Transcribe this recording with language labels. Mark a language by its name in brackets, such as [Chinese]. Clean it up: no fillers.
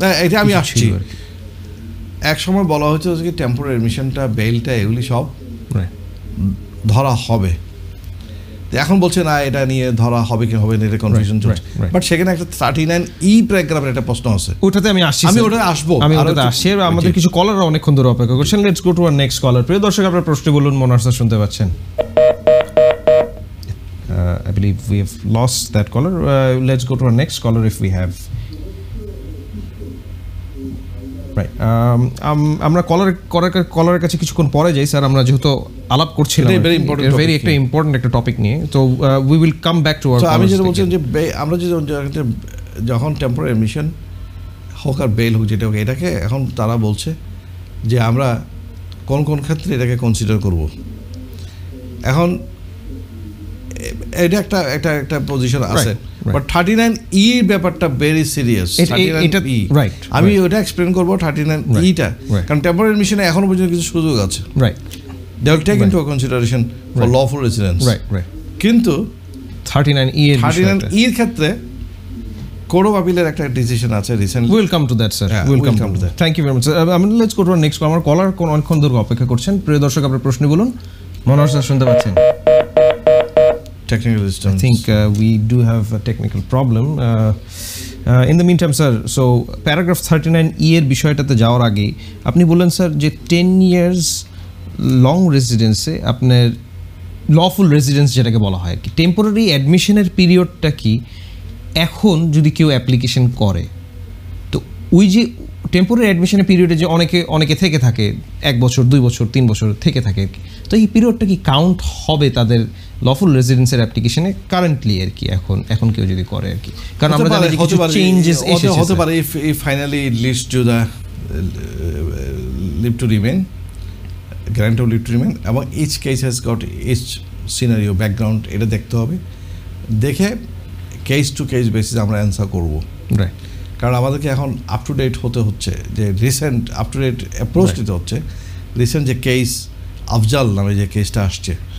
[Bangla] এটা আমি আসছি, এক সময় বলা হয়েছিল যে টেম্পোরারি অ্যাডমিশনটা বেইলটা এগুলি সব ধরা হবে, এখন বলছে না এটা নিয়ে ধরা হবে কি হবে না, এটা কনফিউশন চলছে। বাট সেখানে একটা 39E প্যারাগ্রাফের একটা প্রশ্ন আছে, ওটাতে আমি আসছি, আমি ওটা আসবো, আমি ওটাতে আসছি। আমাদের কিছু কলাররা অনেকক্ষণ ধরে অপেক্ষা করছেন, [English] Let's go to our next caller. [Bangla] প্রিয় দর্শক, আপনার প্রশ্ন বলুন, মনার স্যার শুনতে পাচ্ছেন। [English] I believe we have lost that caller. Let's go to our next caller if we have. Right. [Bangla] আমরা কলারের কাছে কিছুক্ষণ পরে যাই স্যার, আমরা যেহেতু আলাপ করছিলাম [English] very important [Bangla] ভেরি একটা ইম্পর্টেন্ট একটা টপিক নিয়ে, তো [English] We will come back to our. [Bangla] আমি যেটা বলছিলাম যে আমরা যে যখন টেম্পোরারি অ্যাডমিশন হোক আর বেইল হোক যেটা হোক, এটাকে এখন তারা বলছে যে আমরা কোন কোন ক্ষেত্রে এটাকে কনসিডার করব। এখন এটা একটা একটা একটা পজিশন আছে, বাট 39E ব্যাপারটা ভেরি সিরিয়াস। 39E, [English] right, [Bangla] আমি ওটা এক্সপ্লেইন করব 39E টা, কারণ টেম্পোরারি অ্যাডমিশনে এখনো পর্যন্ত কিছু সুযোগ আছে, [English] Right, they will take into consideration for lawful residence, right right. [Bangla] কিন্তু 39E এর ক্ষেত্রে কোড অফ আপিলের একটা ডিসিশন আছে recently, [English] Welcome to that sir, welcome to that, thank you very much. I mean let's go to our next caller. [Bangla] কলার কোন অনেকক্ষণ ধরে অপেক্ষা করছেন, প্রিয় দর্শক আপনার প্রশ্ন বলুন, মনোজ স্যার শুনতে পাচ্ছেন। [English] Technical distance. I think we do have a technical problem. In the meantime, [Bangla] sir, so paragraph 39E-er bishoyetate jawar age apni bollen sir je 10 years long residence e apnar lawful residence jeta ke bola hoy ki temporary admission er period ta ki ekhon jodi keu application kore to ui je temporary admission er period e je oneke oneke theke thake 1 bochor 2 bochor 3 bochor theke thake to ei period ta ki count hobe tader lawful রেসিডেন্সের অ্যাপ্লিকেশনে currently আর কি, এখন এখন কেউ যদি করে আর কি, কারণ আমরা জানি কিছু চেঞ্জেস এসেছে, হতে পারে if E finally list to the leave to remain, grant of leave to remain, এবং [English] each case has got each scenario background, [Bangla] এটা দেখতে হবে, দেখে কেস টু কেস বেসিস আমরা অ্যান্সার করব, [English] Right. [Bangla] কারণ আমাদেরকে এখন আপ টু ডেট হতে হচ্ছে, যে recent up to date approach দিতে হচ্ছে, রিসেন্ট যে কেস আফজাল নামে যে কেসটা আসছে,